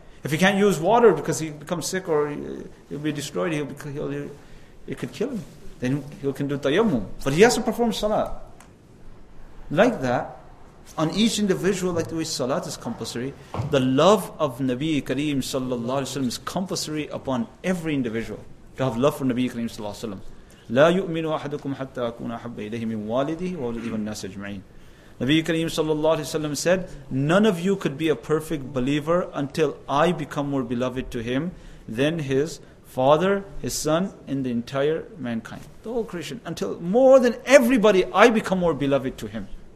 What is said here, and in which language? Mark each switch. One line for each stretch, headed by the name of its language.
English: If he can't use water because he becomes sick or he'll be destroyed, it could kill him. Then he can do tayammum. But he has to perform salat. Like that, on each individual, like the way salat is compulsory, the love of Nabi Kareem sallallahu alayhi wa sallam is compulsory upon every individual to have love for Nabi Kareem sallallahu alayhi wa sallam.
Arabic: لا يؤمن أحدكم حتى أكون أحب إليه من والده ووالديه والناس أجمعين.
English: Nabi Kareem sallallahu alayhi wa sallam said, none of you could be a perfect believer until I become more beloved to him than his father, his son, and the entire mankind. The whole creation. Until more than everybody, I become more beloved to him.